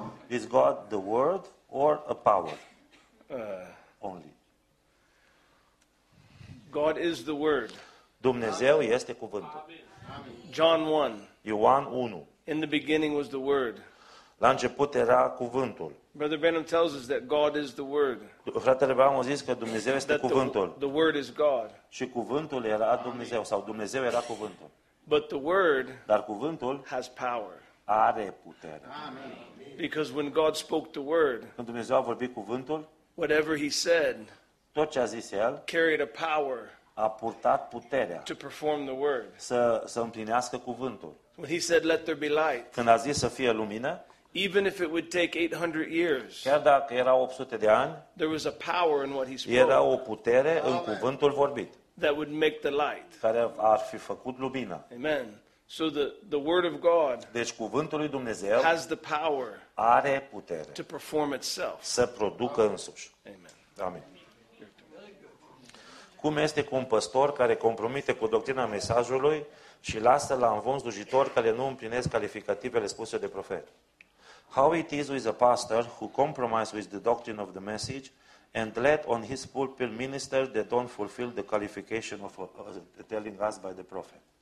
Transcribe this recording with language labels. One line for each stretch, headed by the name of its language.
English: Is God the word or a power? Only. God is the word.
Romanian: Dumnezeu este cuvântul.
English: John 1.
Romanian: Ioan 1.
English: In the beginning was the word.
Romanian: La început era cuvântul.
English: Brother Branham tells us that God is the word.
Romanian: Fratele Branham a zis că Dumnezeu este cuvântul.
English: The word is God.
Romanian: Și cuvântul era Dumnezeu sau Dumnezeu era cuvântul.
English: But the word,
Romanian: dar cuvântul
English: has power.
Romanian: Are putere.
English: Amen. Because when God spoke the word,
Romanian: când Dumnezeu a vorbit cuvântul,
English: whatever he said,
Romanian: tot ce a zis el,
English: carried a power.
Romanian: A purtat puterea
English: to perform the word.
Romanian: Să împlinească cuvântul.
English: When he said, "Let there be light,"
Romanian: când a zis să fie lumină,
English: even if it would take 800 years,
Romanian: chiar dacă era 800 de ani,
English: there was a power in what he spoke.
Romanian: Era o putere în cuvântul vorbit.
English: That would make the light.
Romanian: Care ar fi făcut lumină.
English: Amen. So the word of God,
Romanian: deci cuvântul lui Dumnezeu,
English: has the power,
Romanian: are putere
English: to perform itself,
Romanian: să producă însuși.
English: Amen. Amen.
Romanian: Cum este cu un păstor care compromite cu doctrina mesajului și lasă la învon slujitori care nu împlinesc calificativele spuse de profet?
English: How it is with a pastor who compromises with the doctrine of the message and let on his pulpit ministers that don't fulfill the qualification of telling us by the prophet?